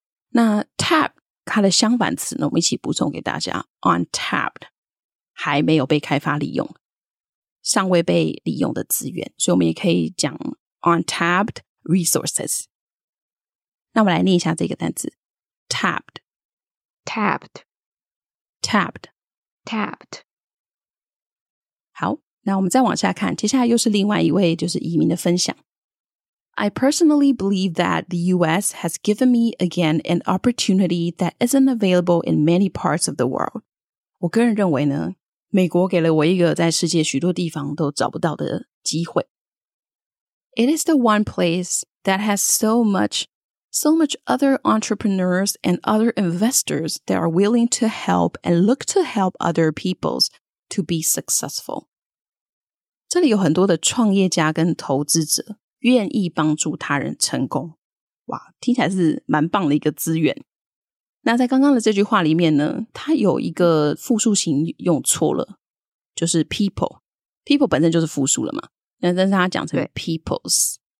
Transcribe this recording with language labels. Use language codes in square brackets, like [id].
[zh] 那 tap 它的相反词呢，我们一起补充给大家 untapped 还没有被开发利用，尚未被利用的资源，所以我们也可以讲 [en] untapped resources。 [zh] 那我们来念一下这个单词 tapped [en] tapped tapped tapped。 [zh] 好，那我们再往下看，接下来又是另外一位就是移民的分享。 [en] I personally believe that the US has given me again an opportunity that isn't available in many parts of the world. [zh] 我个人认为呢，美国给了我一个在世界许多地方都找不到的机会。 [en] It is the one place that has so much other entrepreneurs and other investors that are willing to help and look to help other peoples to be successful. [zh] 这里有很多的创业家跟投资者愿意帮助他人成功。哇，听起来是蛮棒的一个资源。那在刚刚的这句话里面呢，它有一个复数型用错了，就是 people。 people 本身就是复数了嘛。那但是它讲成 peoples。